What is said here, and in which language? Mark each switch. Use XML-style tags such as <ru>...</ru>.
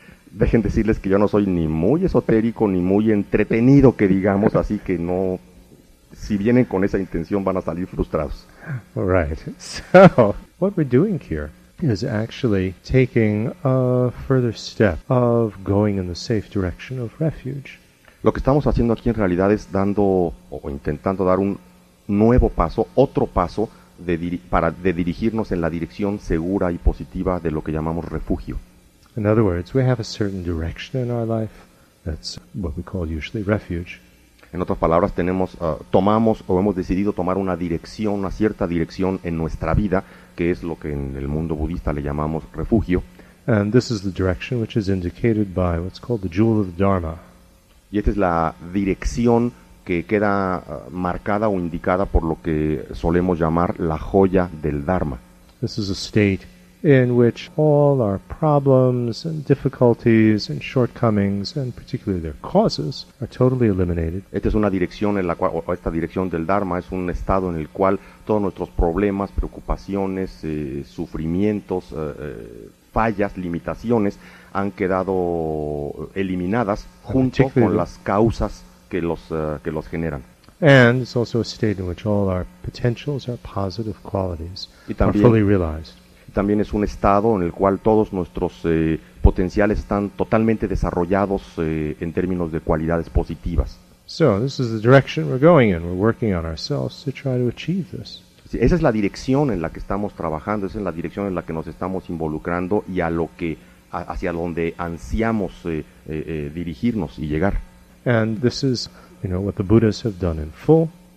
<es>Déjenme decirles que yo no soy ni muy esotérico ni muy entretenido, que digamos, así que no, si vienen con esa intención van a salir frustrados.</es> <en>All right, so what we're doing here is actually taking a further step of going in the safe direction of refuge.</en> <es>Lo que estamos haciendo aquí en realidad es dando o intentando dar un nuevo paso, otro paso para dirigirnos en la dirección segura y positiva de lo que llamamos refugio.</es> <en>In other words, we have a certain direction in our life that's what we call usually refuge.</en> <es>En otras palabras, tomamos o hemos decidido tomar una dirección, una cierta dirección en nuestra vida, que es lo que en el mundo budista le llamamos refugio.</es> <en>And this is the direction which is indicated by what's called the jewel of the Dharma.</en> <es>Y esta es la dirección que queda marcada o indicada por lo que solemos llamar la joya del Dharma.</es> <en>This is a state in which all our problems and difficulties and shortcomings and particularly their causes are totally eliminated.</en> <es>Esta es una dirección en la cual, o esta dirección del Dharma es un estado en el cual todos nuestros problemas, preocupaciones, sufrimientos, fallas, limitaciones han quedado eliminadas junto con las causas que los generan.</es> <en>And it's also a state in which all our potentials, our positive qualities are fully realized.</en> <es>También es un estado en el cual todos nuestros potenciales están totalmente desarrollados en términos de cualidades positivas.</es> <en>So, this is the direction we're going in. We're working on ourselves to try to achieve this.</en> <es>Sí, esa es la dirección en la que estamos trabajando, esa es la dirección en la que nos estamos involucrando y hacia donde ansiamos dirigirnos y llegar.</es> <en>And this is, you know, what the Buddhas have done in full.</en>